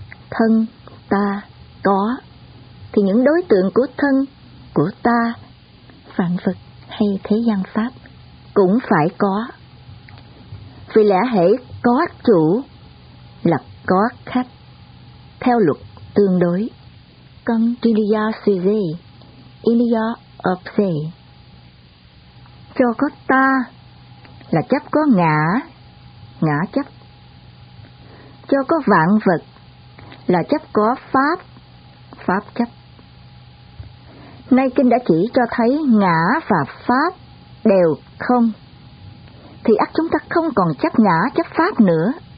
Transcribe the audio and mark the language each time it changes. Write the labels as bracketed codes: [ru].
[vi] Thân, ta, có thì những đối tượng của thân, của ta, vạn vật hay thế gian pháp cũng phải có. Vì lẽ hễ có chủ là có khách, theo luật tương đối. [fr] Comme il y a sujet, il y a objet. [vi] Cho có ta là chấp có ngã, ngã chấp. Cho có vạn vật là chấp có pháp, pháp chấp. Nay kinh đã chỉ cho thấy ngã và pháp đều không, thì ắt chúng ta không còn chấp ngã chấp pháp nữa.